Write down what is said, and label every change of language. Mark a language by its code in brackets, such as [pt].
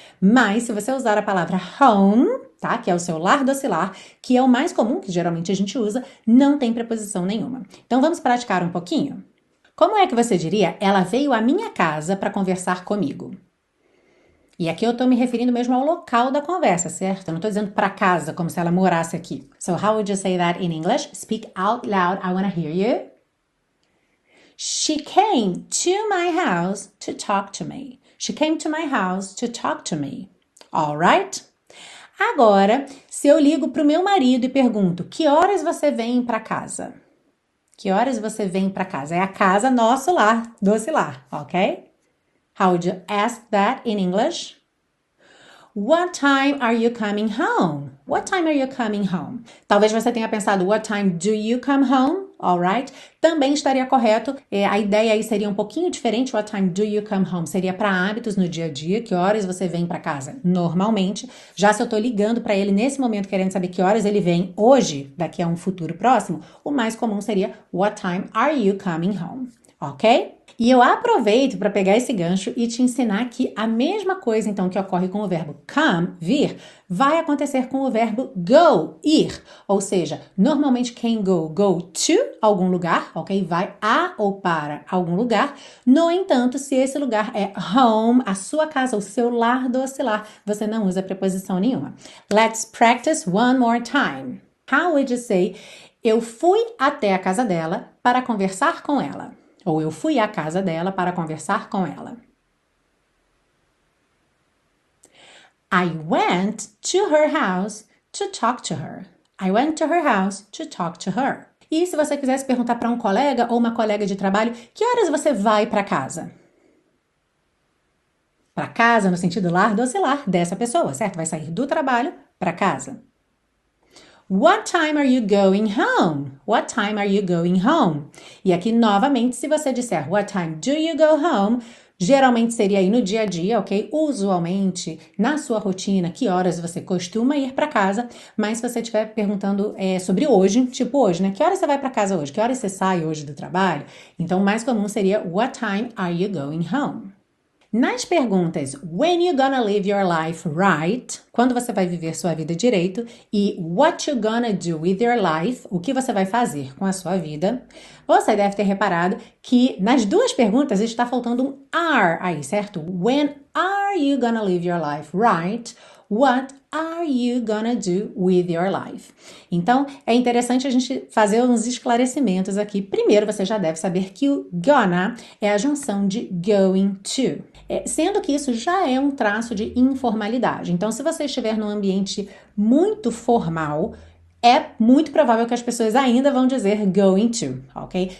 [pt] Mas se você usar a palavra home, tá? Que é o seu lar docilar, que é o mais comum, que geralmente a gente usa, não tem preposição nenhuma. Então vamos praticar um pouquinho? Como é que você diria ela veio à minha casa para conversar comigo? E aqui eu estou me referindo mesmo ao local da conversa, certo? Eu não estou dizendo para casa, como se ela morasse aqui. [en] So, how would you say that in English? Speak out loud, I want to hear you. She came to my house to talk to me. She came to my house to talk to me. All right? [pt] Agora, se eu ligo para o meu marido e pergunto: que horas você vem para casa? Que horas você vem para casa? É a casa, nosso lar, doce lar, ok? [en] How would you ask that in English? What time are you coming home? What time are you coming home? [pt] Talvez você tenha pensado, [en] what time do you come home? All right. [pt] Também estaria correto. A ideia aí seria um pouquinho diferente. [en] What time do you come home? [pt] Seria para hábitos no dia a dia. Que horas você vem para casa? Normalmente. Já se eu estou ligando para ele nesse momento, querendo saber que horas ele vem hoje, daqui a um futuro próximo, o mais comum seria, [en] what time are you coming home? [pt] Ok? E eu aproveito para pegar esse gancho e te ensinar que a mesma coisa, então, que ocorre com o verbo come, vir, vai acontecer com o verbo go, ir. Ou seja, normalmente quem go to algum lugar, ok? Vai a ou para algum lugar. No entanto, se esse lugar é home, a sua casa, o seu lar doce lar, você não usa preposição nenhuma. [en] Let's practice one more time. How would you say, [pt] eu fui até a casa dela para conversar com ela? Ou eu fui à casa dela para conversar com ela. [en] I went to her house To talk to her. I went to her house to talk to her. [pt] E se você quisesse perguntar para um colega ou uma colega de trabalho, que horas você vai para casa? Para casa, no sentido lar, docilar, dessa pessoa, certo? Vai sair do trabalho para casa. [en] What time are you going home? What time are you going home? [pt] E aqui, novamente, se você disser [en] What time do you go home? [pt] Geralmente seria aí no dia a dia, ok? Usualmente, na sua rotina, que horas você costuma ir para casa? Mas se você estiver perguntando sobre hoje, tipo hoje, né? Que horas você vai para casa hoje? Que horas você sai hoje do trabalho? Então, o mais comum seria [en] What time are you going home? [pt] Nas perguntas [en] When you gonna live your life right? [pt] Quando você vai viver sua vida direito? [en] E What you gonna do with your life? [pt] O que você vai fazer com a sua vida? Você deve ter reparado que nas duas perguntas está faltando um [en] are [pt] aí, certo? [en] When are you gonna live your life right? What are you gonna do with your life? [pt] Então, é interessante a gente fazer uns esclarecimentos aqui. Primeiro, você já deve saber que o gonna é a junção de [en] going to, [pt] sendo que isso já é um traço de informalidade. Então, se você estiver num ambiente muito formal, é muito provável que as pessoas ainda vão dizer [en] going to, [pt] ok?